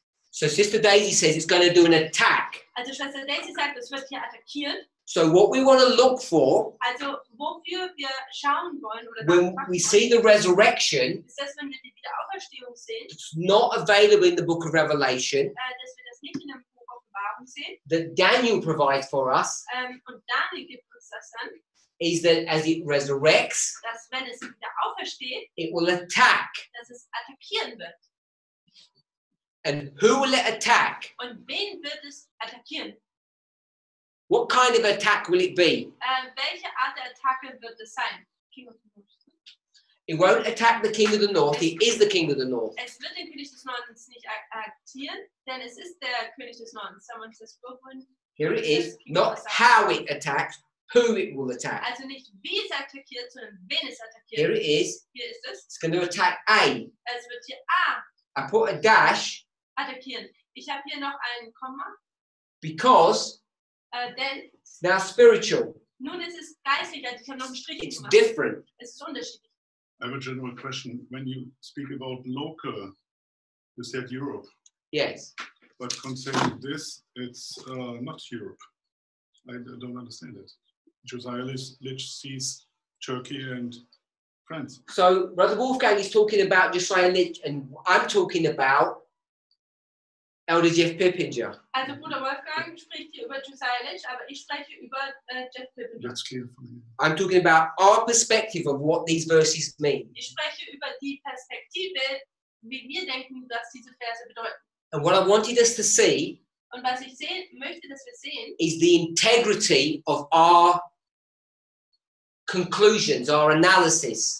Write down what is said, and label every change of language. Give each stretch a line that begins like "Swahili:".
English: So Sister Daisy says it's going to do an attack.
German: Also Schwester Daisy sagt, es wird hier attackieren.
English: So what we want to look for,
German: also wofür wir schauen wollen, oder
English: when we see the resurrection,
German: ist das, wenn wir die Wiederauferstehung sehen,
English: it's not available in the book of Revelation,
German: dass wir das nicht in dem Buch Offenbarung sehen,
English: that Daniel provides for us,
German: und Daniel gibt uns das dann,
English: is that as it resurrects,
German: dass wenn es wieder aufersteht,
English: it will attack.
German: Dass es attackieren wird.
English: And who will it attack?
German: Und wen wird es attackieren?
English: What kind of attack will it be?
German: Welche Art der Attacke wird es sein?
English: He won't attack the king of the north. He is the king of the north.
German: Es wird den König des Nordens nicht attackieren, denn es ist der König des Nordens.
English: Someone says Brooklyn. Here it is. Not how it attacks, who it will attack.
German: Also nicht wie es attackiert, sondern wen es attackiert.
English: Here it is.
German: Hier ist es.
English: It's going to attack A.
German: Es wird hier A.
English: I put a dash.
German: Attackieren. Ich habe hier noch ein Komma.
English: Because. Then. Now spiritual.
German: Nun ist es geistig, also ich habe noch einen Strich
English: it's
German: gemacht.
English: Different.
German: Es ist unterschiedlich.
English: I have a general question. When you speak about local, you said Europe. Yes. But concerning this, it's not Europe. I don't understand it. Josiah sees Turkey and France. So Brother Wolfgang is talking about Josiah Litch, and I'm talking about Elder Jeff Pippinger.
German: Also Bruder Wolfgang spricht hier über Josiah Litch, aber ich spreche über Jeff Pippinger.
English: That's clear for me. I'm talking about our perspective of what these verses mean.
German: Ich spreche über die Perspektive, wie wir denken, dass diese Verse bedeuten.
English: And what I wanted us to see,
German: und was ich sehen möchte, dass wir sehen,
English: is the integrity of our conclusions, our analysis.